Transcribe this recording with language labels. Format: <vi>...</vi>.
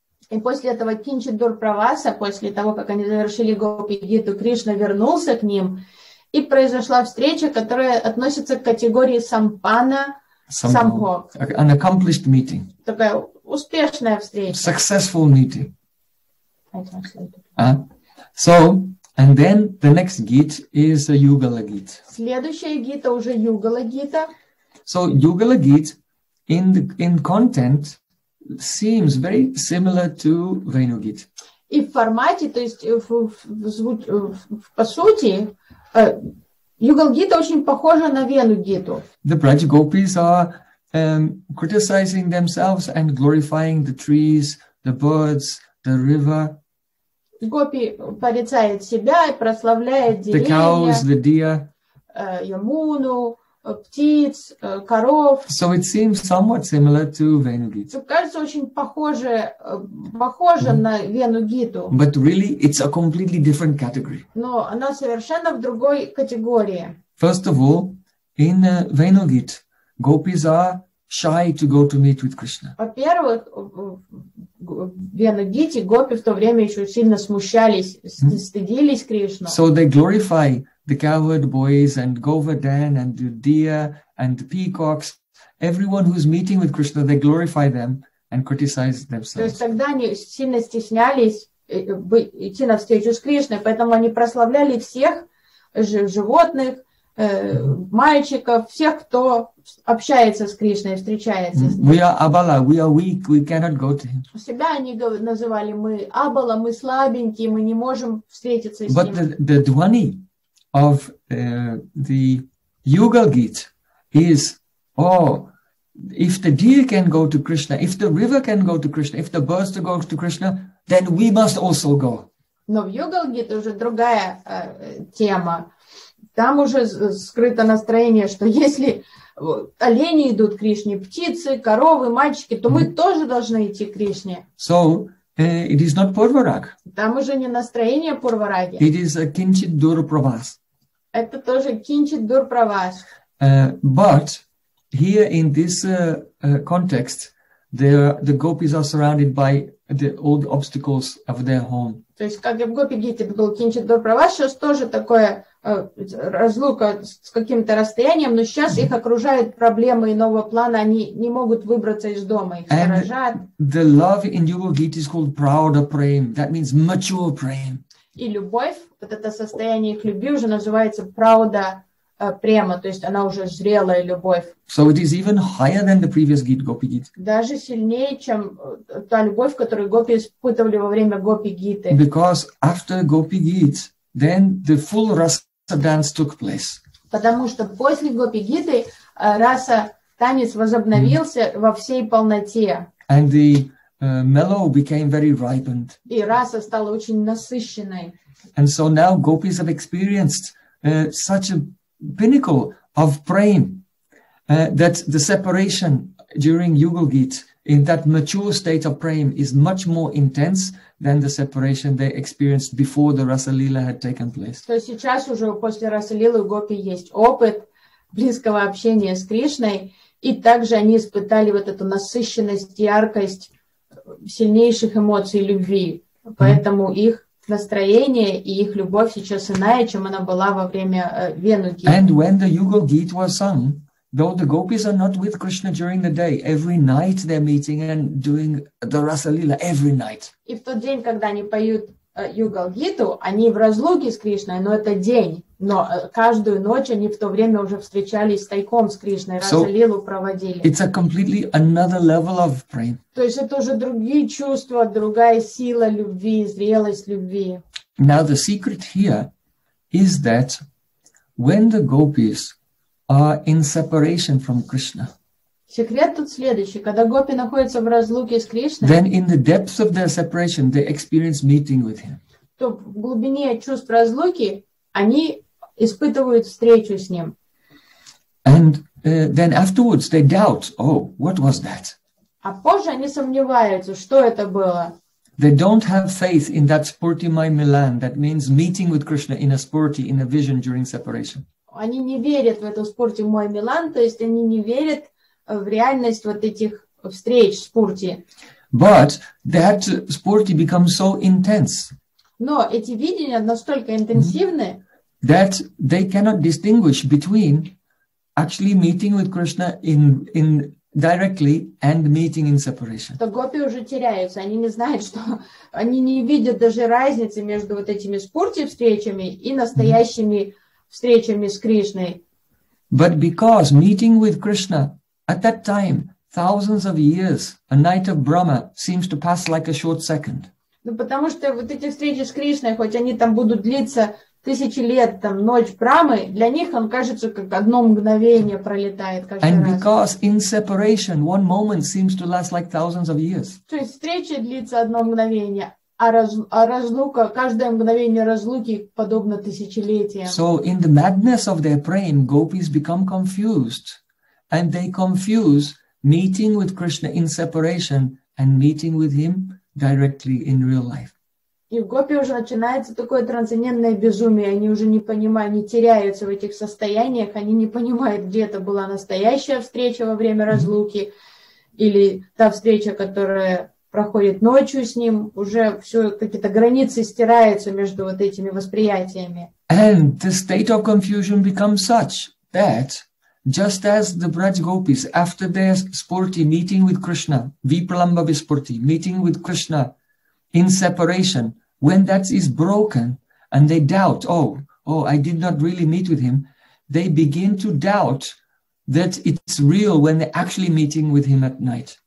<ru>И после этого kinchit dur pravas, после того, как они завершили Гопи Геет, Кришна вернулся к ним, и произошла встреча, которая относится к категории сампанна.</ru> <en>Somehow, an accomplished meeting.</en> <ru>Такая успешная встреча.</ru> <en>Successful meeting. So, and then the next geet is a Yugala geet.</en> <ru>Следующая гита уже Yugala гита.</ru> <en>So Yugala geet in content seems very similar to Venu geet.</en> <ru>И в формате, то есть в по сути. Yugala Gita очень похожа на Venu Gita.</ru> <en>The Braj Gopis are criticizing themselves and glorifying the trees, the birds, the river.</en> <ru>Гопи порицает себя и прославляет деревья.</ru> <en>The cows, the deer.</en> <ru>Ямуну, птиц, коров.</ru> <en>So it seems somewhat similar to Venu Gita.</en> <ru>Кажется, очень похоже на Venu Gita.</ru> <en>But really, it's a completely different category.</en> <ru>Но она совершенно в другой категории.</ru> <en>First of all, in Venu Gita, gopis are shy to go to meet with Krishna.</en> <ru>Во-первых, в Venu Gita гопи в то время еще сильно смущались, стыдились Кришну.</ru> <en>So they glorify the cowherd boys and Govardhan and the deer and the peacocks, everyone who's meeting with Krishna, they glorify them and criticize themselves.</en> <ru>То есть тогда они сильно стеснялись идти на встречу с Кришной, поэтому они прославляли всех животных, мальчиков, всех, кто общается с Кришной, встречается с ним.</ru> <en>We are abala, we are weak, we cannot go to him.</en> <ru>Себя они называли, мы абала, мы слабенькие, мы не можем встретиться с ним.</ru> <en>But the dhwani of the Yugala Gita is, oh, if the deer can go to Krishna, if the river can go to Krishna, if the birds go to Krishna, then we must also go.</en> <ru>Но в Yugala Gita уже другая тема. Там уже скрыто настроение, что если олени идут к Кришне, птицы, коровы, мальчики, то мы тоже должны идти к Кришне.</ru> <en>So, it is not Purvarag.</en> <ru>Там уже не настроение Пурвараги.</ru> <en>It is a kinchit dur pravas.</en> <ru>Это тоже kinchit dur pravas.</ru> <en>But here in this context, the gopis are surrounded by the old obstacles of their home.</en> <ru>То есть, как и в Гопи Гите был kinchit dur pravas, сейчас тоже такое разлука с каким-то расстоянием, но сейчас их окружают проблемы иного плана, они не могут выбраться из дома, их сторожат.</ru> <en>The love in Yoga Gita is called Prouda Prem. That means mature Prem.</en> <ru>И любовь, вот это состояние их любви уже называется Prouda Prema, то есть она уже зрелая любовь.</ru> <en>So it is even higher than the previous Gita, Gopi Gita.</en> <ru>Даже сильнее, чем та любовь, которую гопи испытывали во время Гопи Гиты.</ru> <en>Because after Gopi Gita, then the full rasa dance took place.</en> <ru>Потому что после Гопи Гиты раса танец возобновился во всей полноте.</ru> <en>And the mellow became very ripened.</en> <ru>И раса стала очень насыщенной.</ru> <en>And so now gopis have experienced such a pinnacle of prem that the separation during Yuga Gita in that mature state of prem is much more intense than the separation they experienced before the rasa lila had taken place.</en> <ru>То есть сейчас уже после раса лилы у гопи есть опыт близкого общения с Кришной, и также они испытали вот эту насыщенность, яркость сильнейших эмоций любви. Поэтому их настроение и их любовь сейчас иная, чем она была во время венуги.</ru> <en>And when the Yuga Gita was sung, though the gopis are not with Krishna during the day, every night they're meeting and doing the rasa lila every night.</en> <ru>И в тот день, когда они поют Yuga Gita, они в разлуке с Кришной, но это день. Но каждую ночь они в то время уже встречались тайком с Кришной, so раса лилу проводили.</ru> <en>It's a completely another level of prem.</en> <ru>То есть это уже другие чувства, другая сила любви, зрелость любви.</ru> <en>Now the secret here is that when the gopis are in separation from Krishna.</en> <ru>Секрет тут следующий. Когда гопи находятся в разлуке с Кришной,</ru> <en>then in the depths of their separation, they experience meeting with him.</en> <ru>То в глубине чувств разлуки они испытывают встречу с ним.</ru> <en>And then afterwards they doubt, oh, what was that?</en> <ru>А позже они сомневаются, что это было.</ru> <en>They don't have faith in that Spurtimai Milan, that means meeting with Krishna in a spurti, in a vision during separation.</en> <ru>Они не верят в эту Спуртимой Милан, то есть они не верят в реальность вот этих встреч в спурти.</ru> <en>But that spurti becomes so intense.</en> <ru>Но эти видения настолько интенсивны,</ru> <en>that they cannot distinguish between actually meeting with Krishna in directly and meeting in separation.</en> <ru>То гопи уже теряются, они не знают, что они не видят даже разницы между вот этими спурти встречами и настоящими встречами с Кришной.</ru> <en>But because meeting with Krishna at that time, thousands of years, a night of Brahma seems to pass like a short second.</en> <ru>Ну потому что вот эти встречи с Кришной, хоть они там будут длиться тысячи лет, там ночь Брамы, для них он кажется как одно мгновение пролетает каждый</ru> <en>And</en> <ru>раз.</ru> <en>And because in separation, one moment seems to last like thousands of years.</en> <ru>То есть встреча длится одно мгновение, а разлука, каждое мгновение разлуки подобно тысячелетиям.</ru> <en>So in the madness of their praying, gopis become confused, and they confuse meeting with Krishna in separation and meeting with him directly in real life.</en> <ru>И в гопи уже начинается такое трансцендентное безумие. Они уже не понимают, они теряются в этих состояниях. Они не понимают, где это была настоящая встреча во время разлуки или та встреча, которая проходит ночью с ним. Уже все какие-то границы стираются между вот этими восприятиями.</ru> <en>And the state of confusion becomes such that just as the Braj gopis, after their spurti meeting with Krishna, Vipralamba vispurti, meeting with Krishna in separation, when that is broken and they doubt, oh, I did not really meet with him, they begin to doubt that it's real when they're actually meeting with him at night.</en>